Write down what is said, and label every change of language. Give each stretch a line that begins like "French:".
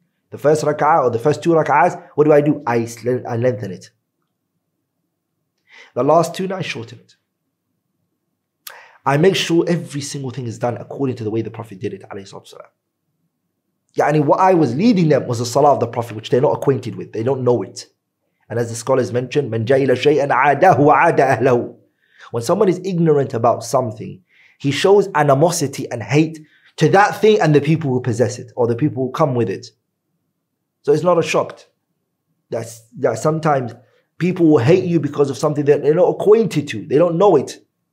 English: The first rak'ah or the first two rak'ahs, what do? I lengthen it. The last two, I shorten it. I make sure every single thing is done according to the way the Prophet did it, alayhi salatu wasalam. Yani what I was leading them was the salah of the Prophet, which they're not acquainted with. They don't know it.
Arabic: And as the scholars mentioned, من جاء إلى شيء عاده وعاد أهله.
English: When someone is ignorant about something, he shows animosity and hate to that thing and the people who possess it or the people who come with it. So it's not a shock that sometimes people will hate you because of something that they're not acquainted to. They don't know it.